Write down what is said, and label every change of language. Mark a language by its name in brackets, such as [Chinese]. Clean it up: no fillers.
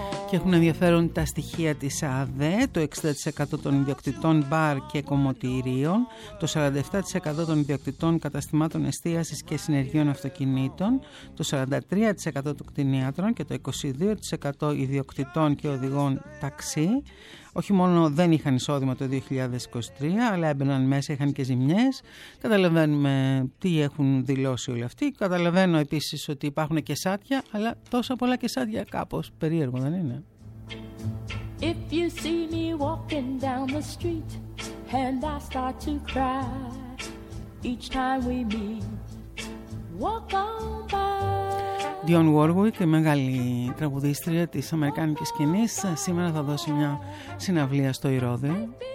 [Greek] Και έχουν ενδιαφέρον τα στοιχεία της ΑΔΕ, το 60% των ιδιοκτητών μπαρ και κομμωτηρίων, το 47% των ιδιοκτητών καταστημάτων εστίασης και συνεργείων αυτοκινήτων, το 43% των κτηνίατρων και το 22% ιδιοκτητών και οδηγών ταξί. Όχι μόνο δεν είχαν εισόδημα το 2023, αλλά έμπαιναν μέσα, είχαν και ζημιές. Καταλαβαίνουμε τι έχουν δηλώσει όλοι αυτοί. Καταλαβαίνω επίσης ότι υπάρχουν και σάτια, αλλά τόσα πολλά και σάτια κάπως περίεργο δεν είναι. [English] If you see me walking down the street and I start to cry each time we meet, walk on by. [Greek] Dion Warwick, η μεγάλη τραγουδίστρια της αμερικάνικης σκηνής, σήμερα θα δώσει μια συναυλία στο Ηρώδειο.